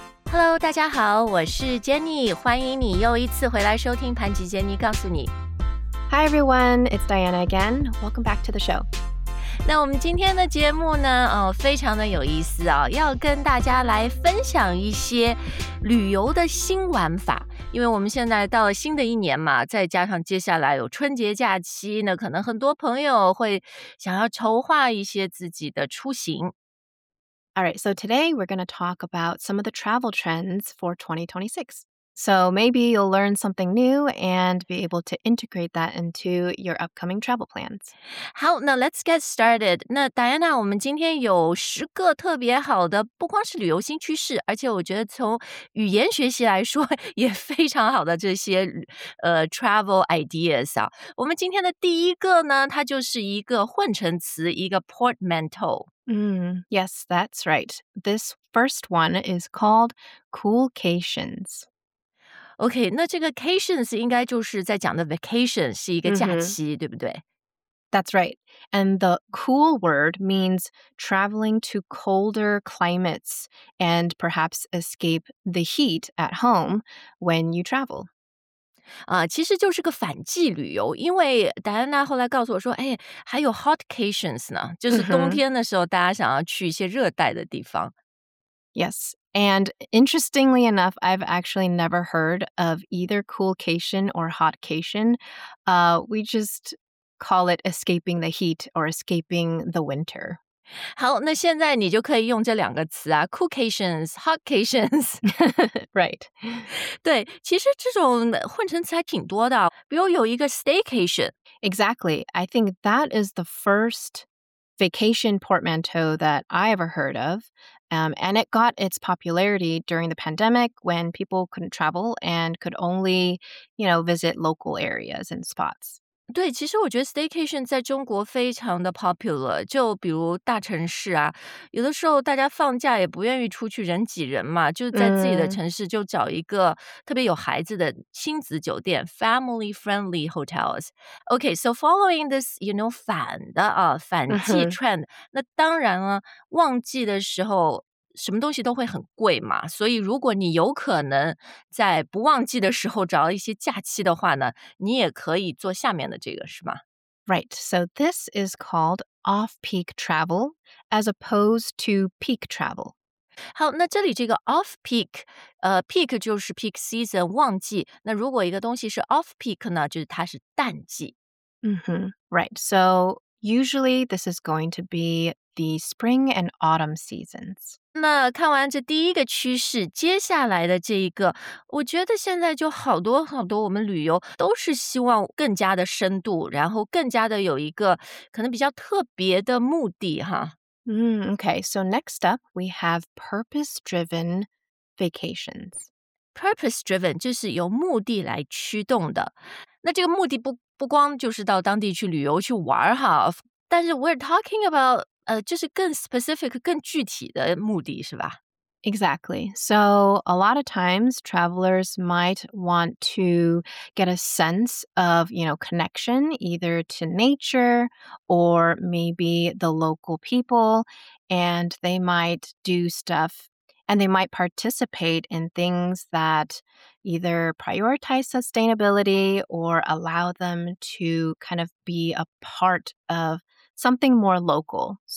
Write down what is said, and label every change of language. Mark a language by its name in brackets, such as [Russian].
[Chinese] Hello， 大家好，我是 Jenny， 欢迎你又一次回来收听盘吉 Jenny 告诉你。 [English] Hi everyone, it's Diana again. Welcome back to the show. [Chinese] 那我们今天的节目呢，非常的有意思哦，要跟大家来分享一些旅游的新玩法。因为我们现在到了新的一年嘛，再加上接下来有春节假期，那可能很多朋友会想要筹划一些自己的出行。 [English] All right, so today we're going to talk about some of the travel trends for 2026. So maybe you'll learn something new and be able to integrate that into your upcoming travel plans. 好，那 let's get started. [Chinese] 那 Diana, 我们今天有十个特别好的，不光是旅游新趋势，而且我觉得从语言学习来说也非常好的这些travel ideas 啊。我们今天的第一个呢，它就是一个混成词，一个 portmanteau。 [English] Yes, that's right. This first one is called Coolcations. [Chinese] Okay, 那这个 cations 应该就是在讲的 vacation, 是一个假期、mm-hmm. 对不对 [English] That's right. And the cool word means traveling to colder climates and perhaps escape the heat at home when you travel. [Chinese] 其实就是个反季旅游，因为戴安娜后来告诉我说，哎，还有 hotcations 呢，就是冬天的时候，大家想要去一些热带的地方。 [English] Yes, and interestingly enough, I've actually never heard of either coolcation or hotcation. We just call it escaping the heat or escaping the winter. [Chinese] 好，那现在你就可以用这两个词啊 ,coolcations, hotcations. [English] right. [Chinese] 对，其实这种混成词还挺多的，比如有一个 staycation. [English] Exactly. I think that is the first vacation portmanteau that I ever heard of. And it got its popularity during the pandemic when people couldn't travel and could only, you know, visit local areas and spots. [Chinese] 对，其实我觉得 staycation 在中国非常的 popular， 就比如大城市啊，有的时候大家放假也不愿意出去人挤人嘛，就在自己的城市就找一个特别有孩子的亲子酒店 family friendly hotels。 [English] Okay, so following this, you know, [Chinese] 反的啊，反季 trend， 那当然了，旺季的时候什么东西都会很贵嘛，所以如果你有可能在不旺季的时候找一些假期的话呢，你也可以做下面的这个，是吗？ [English] Right, so this is called off-peak travel as opposed to peak travel. [Chinese] 好，那这里这个 off-peak, peak 就是 peak season, 旺季，那如果一个东西是 off-peak 呢，就是它是淡季。 Mm-hmm. [English] Right, so usually this is going to be the spring and autumn seasons. [Chinese] 那看完这第一个趋势，接下来的这一个，我觉得现在就好多好多我们旅游都是希望更加的深度，然后更加的有一个可能比较特别的目的哈。 [English] Okay, so next up, we have purpose-driven vacations. [Chinese] Purpose-driven 就是由目的来驱动的。那这个目的不光就是到当地去旅游去玩哈，但是 [English] we're talking about... [Chinese] 就是更 specific, 更具体的目的是吧 [English] Exactly. So a lot of times travelers might want to get a sense of, you know, connection either to nature or maybe the local people, and they might do stuff and they might participate in things that either prioritize sustainability or allow them to kind of be a part ofSomething more local.